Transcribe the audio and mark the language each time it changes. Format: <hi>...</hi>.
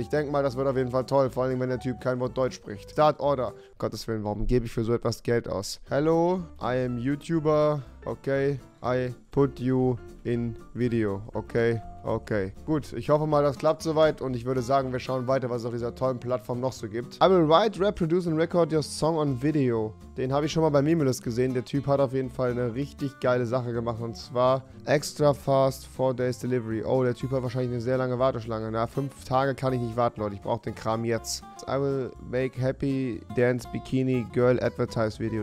<de>Ich denke mal, das wird auf jeden Fall toll. Vor allem, wenn der Typ kein Wort Deutsch spricht.</de> <en>Start Order.</en> <de>Gottes Willen, warum gebe ich für so etwas Geld aus?</de> <en>Hello, I am YouTuber. Okay, I put you in video. Okay.</en> <de>Okay, gut. Ich hoffe mal, das klappt soweit und ich würde sagen, wir schauen weiter, was es auf dieser tollen Plattform noch so gibt.</de> <en>I will write, rap, produce and record your song on video.</en> <de>Den habe ich schon mal bei Mimulus gesehen. Der Typ hat auf jeden Fall eine richtig geile Sache gemacht und zwar</de> <en>extra fast 4 days delivery.</en> <de>Oh, der Typ hat wahrscheinlich eine sehr lange Warteschlange. Na, 5 Tage kann ich nicht warten, Leute. Ich brauche den Kram jetzt.</de> <en>I will make happy dance bikini girl advertise video.</en>